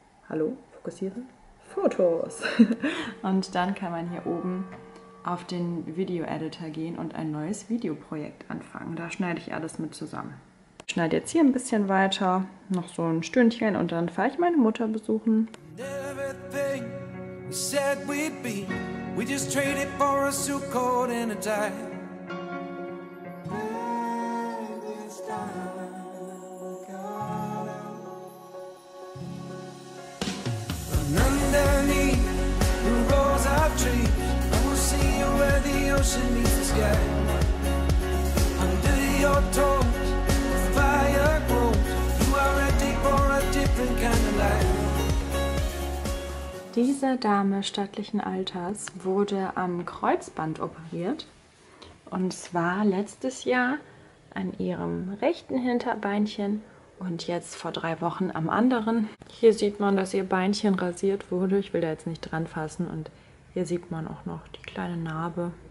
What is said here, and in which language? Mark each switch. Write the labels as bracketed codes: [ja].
[de] Hallo, fokussiere. Fotos! Und dann kann man hier oben auf den Video-Editor gehen und ein neues Videoprojekt anfangen. Da schneide ich alles mit zusammen. Ich schneide jetzt hier ein bisschen weiter, noch so ein Stündchen und dann fahre ich meine Mutter besuchen. [en] We said we'd be, we just traded for a suit coat and a tie. And underneath the rows of trees, I will see you where the ocean meets the sky. Under your toes, the fire grows, you are ready for a different kind of life. [de] Diese Dame stattlichen Alters wurde am Kreuzband operiert und zwar letztes Jahr an ihrem rechten Hinterbeinchen und jetzt vor 3 Wochen am anderen. Hier sieht man, dass ihr Beinchen rasiert wurde. Ich will da jetzt nicht dran fassen und hier sieht man auch noch die kleine Narbe.